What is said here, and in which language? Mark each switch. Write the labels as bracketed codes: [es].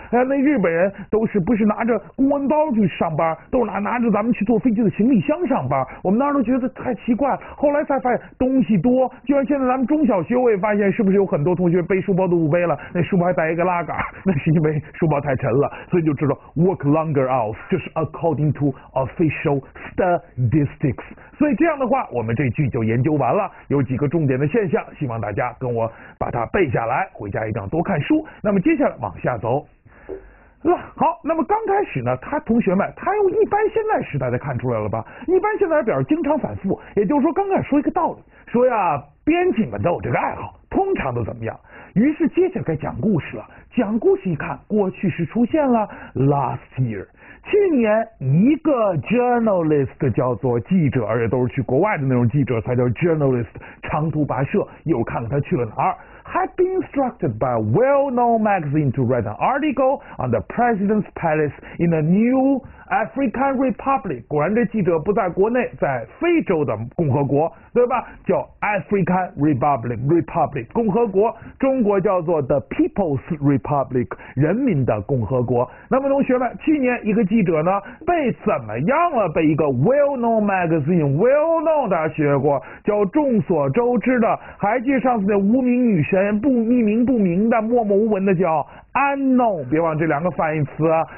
[zh] 那日本人都是不是拿着公文包去上班，都是拿着咱们去坐飞机的行李箱上班。我们当时都觉得太奇怪，后来才发现东西多。就像现在咱们中小学，我也发现是不是有很多同学背书包都不背了，那书包还带一个拉杆，那是因为书包太沉了。所以就知道 [en] work longer hours [zh] 就是 [en] according to official statistics。 [zh] 所以这样的话，我们这句就研究完了，有几个重点的现象，希望大家跟我把它背下来，回家一定要多看书。那么接下来往下走，好，那么刚开始呢，他同学们他用一般现在时代的看出来了吧，一般现在表示经常反复，也就是说刚开始说一个道理，说呀编辑们都有这个爱好，通常都怎么样，于是接下来该讲故事了，讲故事一看过去时出现了 [en] last year， [zh] 去年一个 journalist 叫做记者，而且都是去国外的那种记者才叫 journalist， 长途跋涉，又看看他去了哪儿。 [en] Had been instructed by a well-known magazine to write an article on the president's palace in the New African Republic， [zh] 果然这记者不在国内，在非洲的共和国，对吧，叫 [en] African Republic [zh] 共和国，中国叫做 [en] The People's Republic， [zh] 人民的共和国。那么同学们，去年一个记者呢被怎么样了，被一个 [en] well-known magazine， [zh] well-known 大家学过叫众所周知的，还记得上次那无名女神，不匿名不明的默默无闻的叫 unknown， 别忘这两个反义词啊。